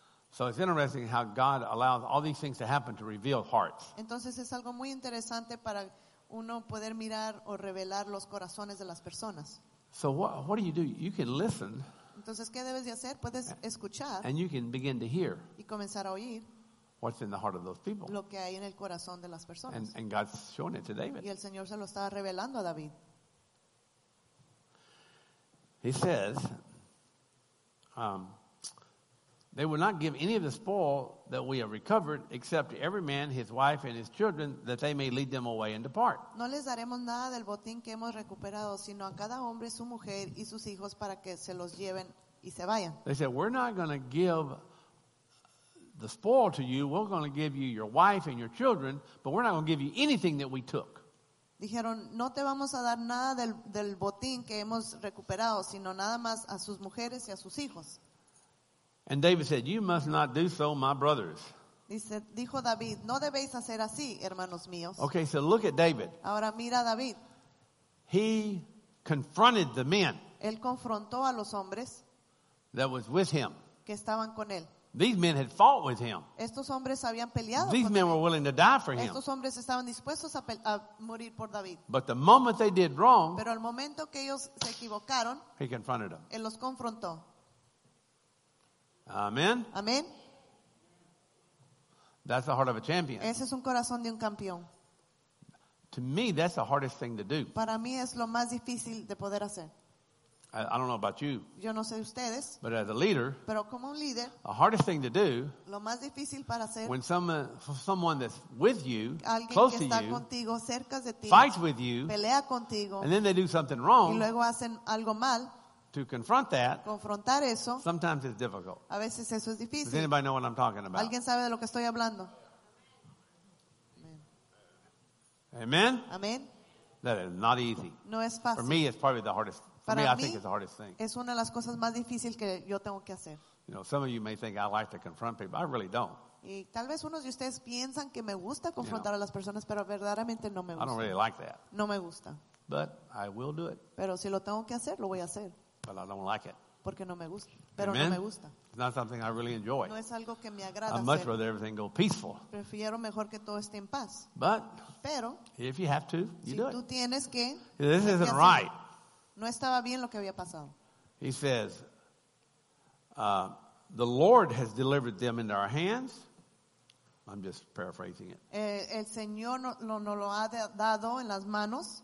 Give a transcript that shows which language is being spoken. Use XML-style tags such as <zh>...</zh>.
<en>So it's interesting how God allows all these things to happen to reveal hearts.</en> <es>Entonces es algo muy interesante para uno poder mirar o revelar los corazones de las personas.</es> <en>So what do? You can listen.</en> <es>Entonces, ¿qué debes de hacer? Puedes escuchar.</es> <en>And you can begin to hear.</en> <es>Y comenzar a oír.</es> <en>What's in the heart of those people?</en> <es>Lo que hay en el corazón de las personas.</es> <en>And God's showing it to David.</en> <es>Y el Señor se lo estaba revelando a David.</es> <en>He says, they will not give any of the spoil that we have recovered, except every man, his wife, and his children, that they may lead them away and depart.</en> <es>No les daremos nada del botín que hemos recuperado, sino a cada hombre, su mujer, y sus hijos, para que se los lleven y se vayan.</es> <en>They said, we're not going to give the spoil to you. We're going to give you your wife and your children, but we're not going to give you anything that we took.</en> <es>Dijeron, no te vamos a dar nada del botín que hemos recuperado, sino nada más a sus mujeres y a sus hijos.</es> <en>And David said, you must not do so, my brothers.</en> <es>Dijo David, no debéis hacer así, hermanos míos.</es> <en>Okay, so look at David.</en> <es>Ahora mira a David.</es> <en>He confronted the men.</en> <es>Él confrontó a los hombres.</es> <en>That was with him.</en> <es>Que estaban con él.</es> <en>These men had fought with him.</en> <es>Estos hombres habían peleado.</es> <en>These men were willing to die for him.</en> <es>Estos hombres estaban dispuestos a morir por David.</es> <en>But the moment they did wrong,</en> <es>pero el momento que ellos se equivocaron,</es> <en>he confronted them.</en> <es>Él los confrontó.</es> <en>Amen.</en> <es>Amen.</es> <en>That's the heart of a champion.</en> <es>Ese es un corazón de un campeón.</es> <en>To me, that's the hardest thing to do.</en> <es>Para mí es lo más difícil de poder hacer.</es> <en>I don't know about you.</en> <es>Yo no sé ustedes.</es> <en>But as a leader,</en> <es>pero como un líder,</es> <en>the hardest thing to do,</en> <es>lo más difícil para hacer,</es> <en>when someone that's with you, close</en> <es>que está</es> <en>to you,</en> <es>contigo, cerca de ti,</es> <en>fights with you,</en> <es>pelea contigo,</es> <en>and then they do something wrong,</en> <es>y luego hacen algo mal,</es> <en>to confront that,</en> <es>confrontar eso,</es> <en>sometimes it's difficult.</en> <es>A veces eso es difícil.</es> <en>Does anybody know what I'm talking about?</en> <es>¿Alguien sabe de lo que estoy hablando?</es> <en>Amen.</en> <es>Amen.</es> <en>That is not easy.</en> <es>No es fácil.</es> <en>For me, it's probably the hardest.</en> <es>Para</es> <en>me, I think it's the hardest thing.</en> <es>Es una de las cosas más difíciles que yo tengo que hacer.</es> <en>You know, some of you may think I like to confront people. I really don't.</en> <es>Y tal vez unos de ustedes piensan que me gusta confrontar a las personas, pero verdaderamente no me gusta.</es> <en>I don't really like that.</en> <es>No me gusta.</es> <en>But I will do it.</en> <es>Pero si lo tengo que hacer, lo voy a hacer.</es> <en>But I don't like it.</en> <es>Porque no me gusta. Pero no me gusta.</es> <en>It's not something I really enjoy.</en> <es>No es algo que me agrada hacer.</es> <en>I'd much rather everything go peaceful.</en> <es>Prefiero mejor que todo esté en paz.</es> <en>But</en> <es>pero</es> <en>if you have to, you</en> <es>si</es> <en>do</en> <es>tú</es> <en>it.</en> <es>Tú tienes que.</es> <en>This isn't right.</en> <es>No estaba bien lo que había pasado.</es> <en>He says, the Lord has delivered them into our hands. I'm just paraphrasing it.</en> <es>El Señor no lo ha dado en las manos.</es>